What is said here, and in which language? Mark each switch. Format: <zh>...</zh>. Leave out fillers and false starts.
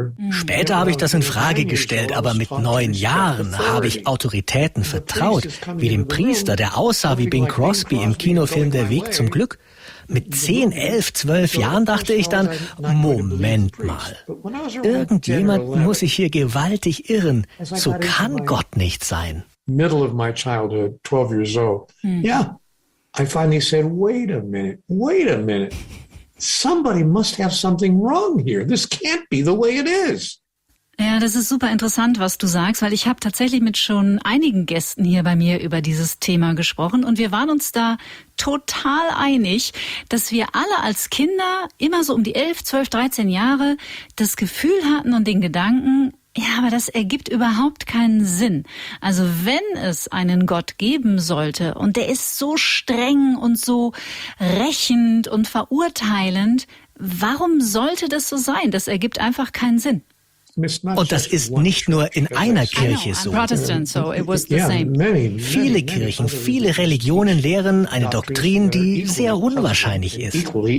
<de>Später habe ich das in Frage gestellt, aber mit 9 Jahren habe ich Autoritäten vertraut, wie dem Priester, der aussah wie Bing Crosby im Kinofilm Der Weg zum Glück. Mit 10, 11, 12 Jahren dachte ich dann, Moment mal, irgendjemand muss sich hier gewaltig irren, so kann Gott nicht sein.</de> <en>Middle of my childhood, 12 years old. Yeah, I finally said, wait a minute. Somebody must have something wrong here. This can't be the way it is.</en> <de>Ja, das ist super interessant, was du sagst, weil ich habe tatsächlich mit schon einigen Gästen hier bei mir über dieses Thema gesprochen und wir waren uns da total einig, dass wir alle als Kinder immer so um die 11, 12, 13 Jahre das Gefühl hatten und den Gedanken, ja, aber das ergibt überhaupt keinen Sinn. Also wenn es einen Gott geben sollte und der ist so streng und so rächend und verurteilend, warum sollte das so sein? Das ergibt einfach keinen Sinn. Und das ist nicht nur in einer Kirche so.</de> <en>Protestant, so it was the same.</en> <de>Viele Kirchen, viele Religionen lehren eine Doktrin, die sehr unwahrscheinlich ist.</de>